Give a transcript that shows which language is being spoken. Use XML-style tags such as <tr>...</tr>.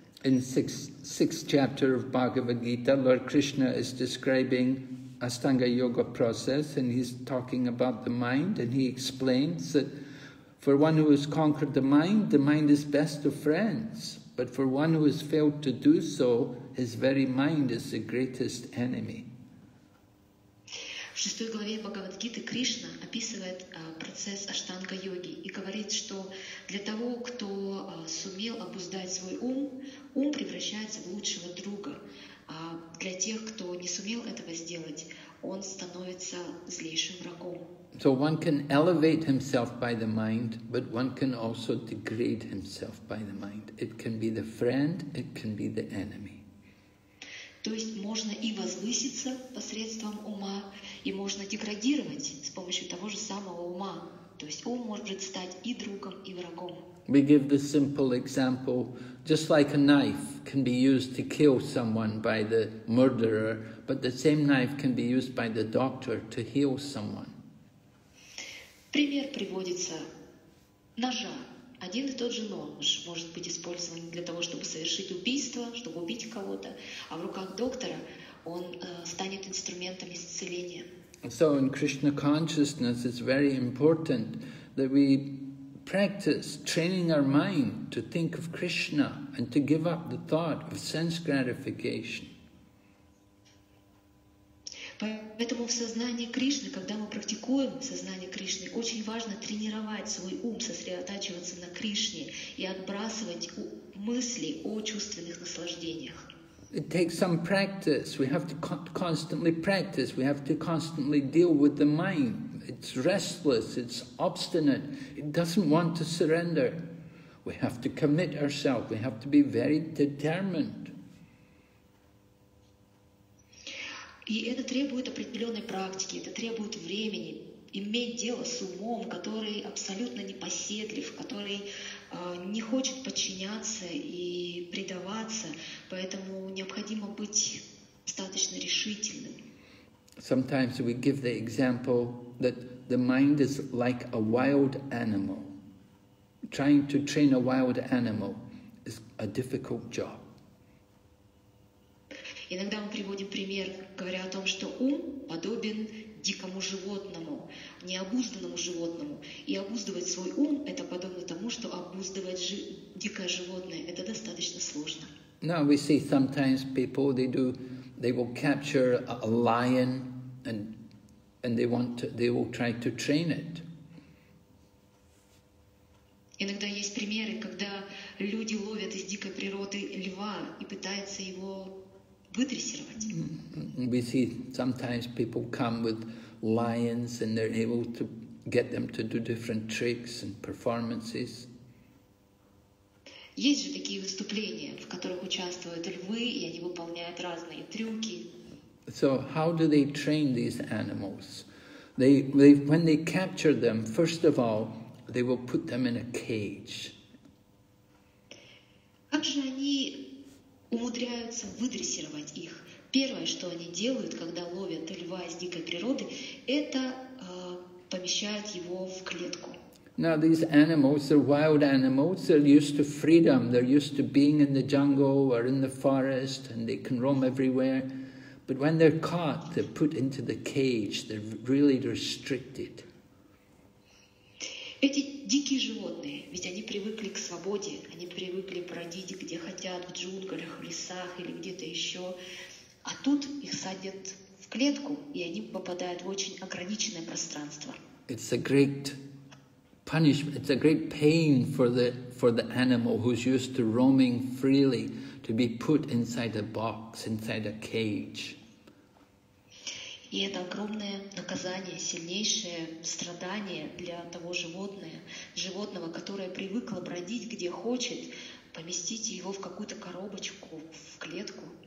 <en>In sixth chapter of Bhagavad Gita, Lord Krishna is describing Astanga Yoga process, and he's talking about the mind, and he explains that for one who has conquered the mind is best of friends, but for one who has failed to do so, his very mind is the greatest enemy.</en> <ru>В шестой главе Бхагавад-гиты Кришна описывает процесс аштанга-йоги и говорит, что для того, кто сумел обуздать свой ум, ум превращается в лучшего друга, а для тех, кто не сумел этого сделать, он становится злейшим врагом.</ru> <en>So one can elevate himself by the mind, but one can also degrade himself by the mind. It can be the friend, it can be the enemy.</en> <ru>То есть можно и возвыситься посредством ума, и можно деградировать с помощью того же самого ума. То есть ум может стать и другом, и врагом.</ru> <en>We give the simple example, just like a knife can be used to kill someone by the murderer, but the same knife can be used by the doctor to heal someone.</en> <ru>Пример приводится. Ножа. Один и тот же нож может быть использован для того, чтобы совершить убийство, чтобы убить кого-то, а в руках доктора он станет инструментом исцеления.</ru> <en>So in Krishna consciousness, it's very important that we practice training our mind to think of Krishna and to give up the thought of sense gratification.</en> <ru>Поэтому в сознании Кришны, когда мы практикуем сознание Кришны, очень важно тренировать свой ум, сосредотачиваться на Кришне и отбрасывать мысли о чувственных наслаждениях.</ru> <en>It takes some practice. We have to constantly practice. We have to constantly deal with the mind. It's restless. It's obstinate. It doesn't want to surrender. We have to commit ourselves. We have to be very determined.</en> <ru>И это требует определенной практики, это требует времени, иметь дело с умом, который абсолютно непоседлив, который не хочет подчиняться и предаваться, поэтому необходимо быть достаточно решительным.</ru> <en>Sometimes we give the example that the mind is like a wild animal. Trying to train a wild animal is a difficult job.</en> <ru>Иногда мы приводим пример, говоря о том, что ум подобен дикому животному, необузданному животному. И обуздывать свой ум – это подобно тому, что обуздывать дикое животное – это достаточно сложно.</ru> <en>Now we see sometimes people, they will capture a lion and they will try to train it.</en> <ru>Иногда есть примеры, когда люди ловят из дикой природы льва и пытаются его</ru> <en>We see sometimes people come with lions and they're able to get them to do different tricks and performances.</en> <ru>Есть же такие выступления, в которых участвуют львы, и они выполняют разные трюки.</ru> <en>So how do they train these animals? They when they capture them, first of all, they will put them in a cage.</en> <ru>Как же они умудряются выдрессировать их. Первое, что они делают, когда ловят льва из дикой природы, это помещают его в клетку.</ru> <en>Now these animals, they're wild animals, they're used to freedom, they're used to being in the jungle or in the forest, and they can roam everywhere. But when they're caught, they're put into the cage, they're really restricted.</en> <ru>Эти дикие животные, ведь они привыкли к свободе, они привыкли бродить где хотят, в джунглях, в лесах или где-то еще. А тут их садят в клетку, и они попадают в очень ограниченное пространство.</ru> <en>It's a great punishment, it's a great pain for the animal who's used to roaming freely to be put inside a box, inside a cage.</en> <ru>И это огромное наказание, сильнейшее страдание для того животного, которое привыкло бродить, где хочет, поместить его в какую-то коробочку, в клетку.</ru>